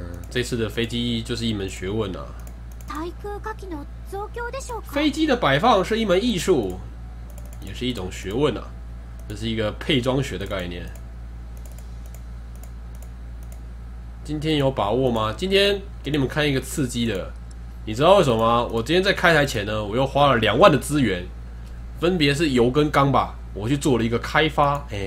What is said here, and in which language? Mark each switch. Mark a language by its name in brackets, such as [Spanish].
[Chinese] 这次的飞机就是一门学问啊。 [Japanese] 対空火器の増強でしょうか？ [Chinese] 飞机的摆放是一门艺术，也是一种学问啊。这是一个配装学的概念。今天有把握吗？今天给你们看一个刺激的，你知道为什么吗？我今天在开台前呢，我又花了20000的资源，分别是油跟钢吧，我去做了一个开发。